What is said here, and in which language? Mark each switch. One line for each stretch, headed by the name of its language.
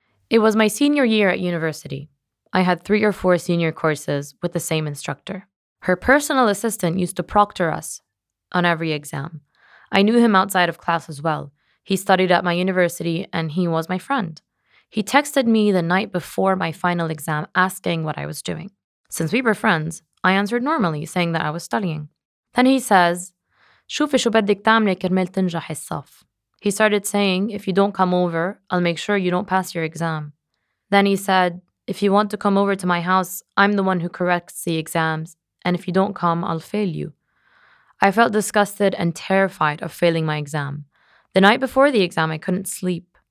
English: It was my senior year at university. I had 3 or 4 senior courses with the same instructor. Her personal assistant used to proctor us on every exam. I knew him outside of class as well. He studied at my university and he was my friend. He texted me the night before my final exam asking what I was doing. Since we were friends, I answered normally saying that I was studying. Then he says,
Arabic: "شوفي شو بدك تعملي كرمال تنجحي الصف."
English: He started saying, "If you don't come over, I'll make sure you don't pass your exam." Then he said, "If you want to come over to my house, I'm the one who corrects the exams, and if you don't come, I'll fail you." I felt disgusted and terrified of failing my exam. The night before the exam, I couldn't sleep.